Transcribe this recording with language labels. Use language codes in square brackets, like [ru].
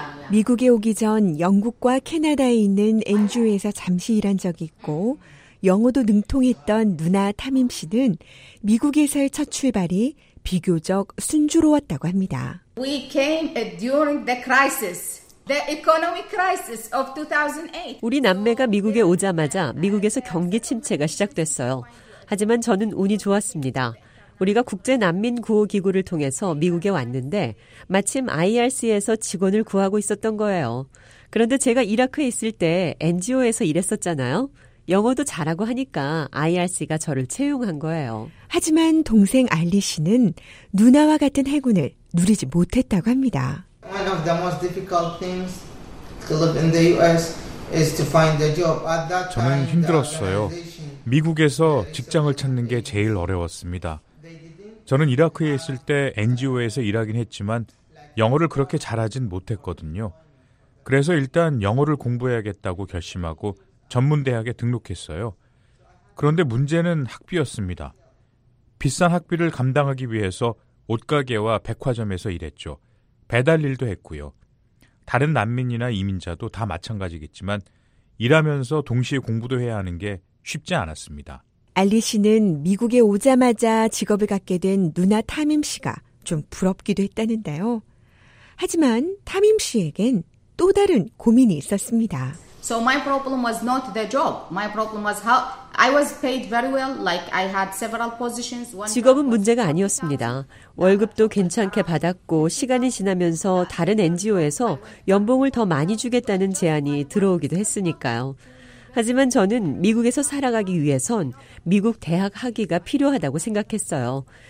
[ko] 미국에 오기 전 영국과 캐나다에 있는 NGO에서 잠시 일한 적이 있고 영어도 능통했던 누나 타밈 씨는 미국에서의 첫 출발이 비교적 순조로웠다고 합니다. [en] We came during the crisis, the economic crisis of 2008. [ko] 우리 남매가 미국에 오자마자 미국에서 경기 침체가 시작됐어요. 하지만 저는 운이 좋았습니다. 우리가 국제 난민 구호 기구를 통해서 미국에 왔는데 마침 IRC에서 직원을 구하고 있었던 거예요. 그런데 제가 이라크에 있을 때 NGO에서 일했었잖아요. 영어도 잘하고 하니까 IRC가 저를 채용한 거예요. 하지만 동생 알리 씨는 누나와 같은 행운을 누리지 못했다고 합니다. [en] One of the most difficult things to live in the US is to find a job. At that time, [ko] 저는 힘들었어요. 미국에서 직장을 찾는 게 제일 어려웠습니다. 저는 이라크에 있을 때 NGO에서 일하긴 했지만 영어를 그렇게 잘하진 못했거든요. 그래서 일단 영어를 공부해야겠다고 결심하고 전문대학에 등록했어요. 그런데 문제는 학비였습니다. 비싼 학비를 감당하기 위해서 옷가게와 백화점에서 일했죠. 배달일도 했고요. 다른 난민이나 이민자도 다 마찬가지겠지만 일하면서 동시에 공부도 해야 하는 게 쉽지 않았습니다. 알리 씨는 미국에 오자마자 직업을 갖게 된 누나 타밈 씨가 좀 부럽기도 했다는데요. 하지만 타밈 씨에겐 또 다른 고민이 있었습니다. [en] So my problem was not the job. My problem was how I was paid very well. Like I had several positions. [ko] 직업은 문제가 아니었습니다. 월급도 괜찮게 받았고 시간이 지나면서 다른 NGO에서 연봉을 더 많이 주겠다는 제안이 들어오기도 했으니까요. 하지만 저는 미국에서 살아가기 위해선 미국 대학 학위가 필요하다고 생각했어요.